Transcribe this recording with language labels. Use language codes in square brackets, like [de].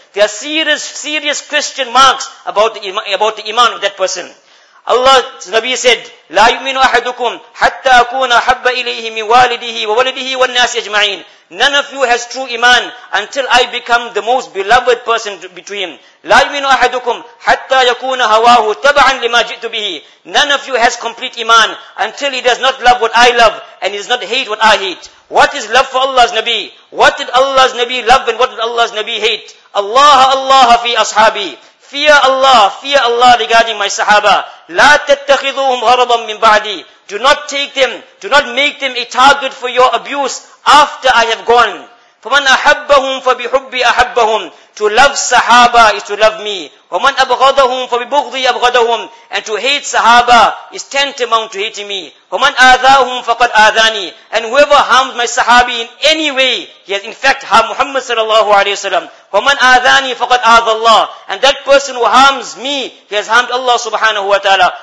[en] There are serious question marks about the iman of that person. Allah's Nabi said, [ar] لَا يُؤْمِنُ أَحَدُكُمْ حَتَّى أَكُونَ أَحَبَّ إِلَيْهِ مِنْ وَالِدِهِ وَوَلَدِهِ وَالنَّاسِ أَجْمَعِينَ. [en] None of you has true iman until I become the most beloved person between. [ar] لَا يُؤْمِنُ أَحَدُكُمْ حَتَّى يَكُونَ هَوَاهُ تَبَعًا لِمَا جِئْتُ بِهِ. [en] None of you has complete iman until he does not love what I love and he does not hate what I hate. What is love for Allah's Nabi? What did Allah's Nabi love and what did Allah's Nabi hate? [ar] Allah, Allah fi ashabi. [en] Fear Allah regarding my sahaba. [ar] لا تتخذوهم هربا من بعدي. [en] Do not take them, do not make them a target for your abuse after I have gone. [ar] فمن أحبهم فبحبي أحبهم. [en] To love sahaba is to love me. [ar] ومن أبغضهم فببغضي أبغضهم. [en] And to hate sahaba is tantamount to hating me. [ar] ومن آذاهم فقد آذاني. [en] And whoever harms my sahabi in any way, he has in fact harmed Muhammad sallallahu alayhi wa sallam. [ar] وَمَنْ آذَانِي فَقَدْ آذَى اللَّهِ. [en] And that person who harms me, he has harmed Allah subhanahu wa ta'ala.